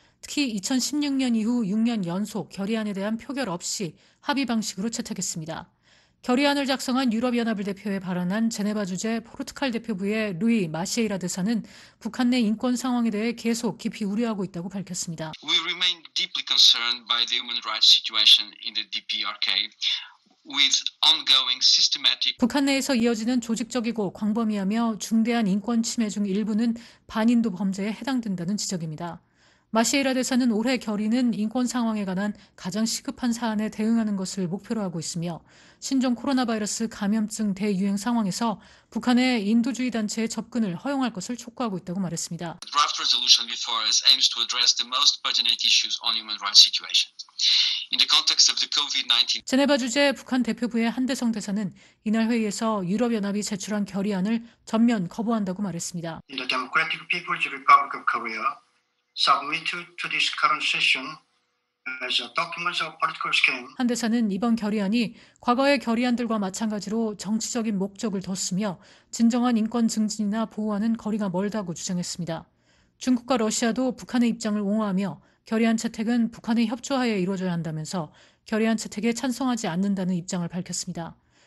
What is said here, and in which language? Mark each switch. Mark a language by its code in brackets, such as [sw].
[ko] 특히 2016년 이후 6년 연속 결의안에 대한 표결 없이 합의 방식으로 채택했습니다. 결의안을 작성한 유럽연합을 대표해 발언한 제네바 주재 포르투갈 대표부의 루이 마시에이라 대사는 북한 내 인권 상황에 대해 계속 깊이 우려하고 있다고 밝혔습니다. [en] We remain deeply concerned by the human rights situation in the DPRK. With ongoing systematic [ko] 북한 내에서 이어지는 조직적이고 광범위하며 중대한 인권 침해 중 일부는 반인도 범죄에 해당된다는 지적입니다. 마시에이라 대사는 올해 결의는 인권 상황에 관한 가장 시급한 사안에 대응하는 것을 목표로 하고 있으며 신종 코로나 바이러스 감염증 대유행 상황에서 북한의 인도주의 단체의 접근을 허용할 것을 촉구하고 있다고 말했습니다. [en] The draft resolution before us aims to address the most pertinent issues on human rights situation. In the context of the COVID-19 [ko] 제네바 주재 북한 대표부의 한대성 대사는 이날 회의에서 유럽연합이 제출한 결의안을 전면 거부한다고 말했습니다. [en] The Democratic People's Republic of Korea submit to this current session as a document of political scheme. [ko] 한 대사는 이번 결의안이 과거의 결의안들과 마찬가지로 정치적인 목적을 뒀으며 진정한 인권 증진이나 보호와는 거리가 멀다고 주장했습니다. 중국과 러시아도 북한의 입장을 옹호하며 결의안 채택은 북한의 협조하에 이루어져야 한다면서 결의안 채택에 찬성하지 않는다는 입장을 밝혔습니다.